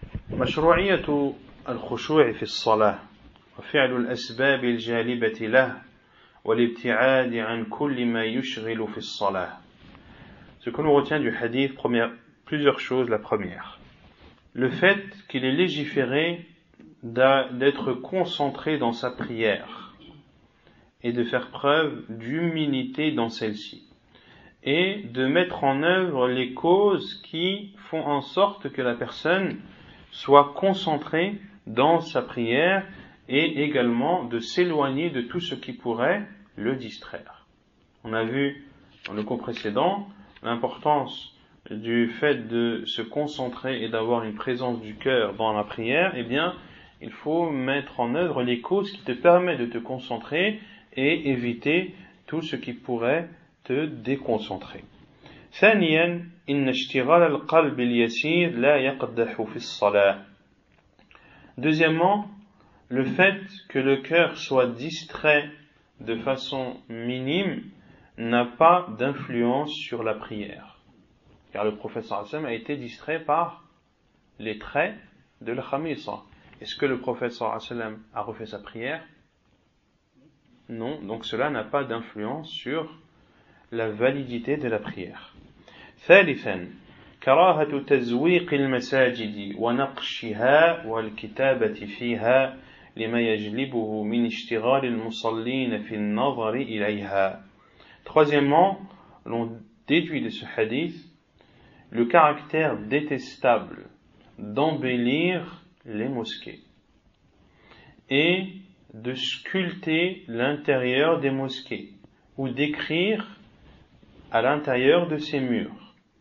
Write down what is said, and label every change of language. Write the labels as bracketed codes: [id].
[ar] مشروعية الخشوع في الصلاة وفعل الأسباب الجالبة له والابتعاد عن كل ما يشغل في الصلاة. [fr] Ce que l'on retient du hadith, plusieurs choses. La première, le fait qu'il est légiféré d'être concentré dans sa prière et de faire preuve d'humilité dans celle-ci et de mettre en œuvre les causes qui font en sorte que la personne soit concentré dans sa prière et également de s'éloigner de tout ce qui pourrait le distraire. On a vu dans le cours précédent l'importance du fait de se concentrer et d'avoir une présence du cœur dans la prière. Eh bien, il faut mettre en œuvre les causes qui te permettent de te concentrer et éviter tout ce qui pourrait te déconcentrer. [ar] ثانياً إن اشتغال القلب اليسير لا يقدح في الصلاة. [fr] Deuxièmement, le fait que le cœur soit distrait de façon minime n'a pas d'influence sur la prière. Car le prophète [ar] صلى الله عليه وسلم [fr] a été distrait par les traits de la khamisa. Est-ce que le prophète [ar] صلى الله عليه وسلم [fr] a refait sa prière? Non, donc cela n'a pas d'influence sur la validité de la prière. [ar] ثالثا كراهة تزويق المساجد ونقشها والكتابة فيها لما يجلبه من اشتغال المصلين في النظر إليها. [fr] Troisièmement, l'on déduit de ce hadith le caractère détestable d'embellir les mosquées et de sculpter l'intérieur des mosquées ou d'écrire à l'intérieur de ses murs.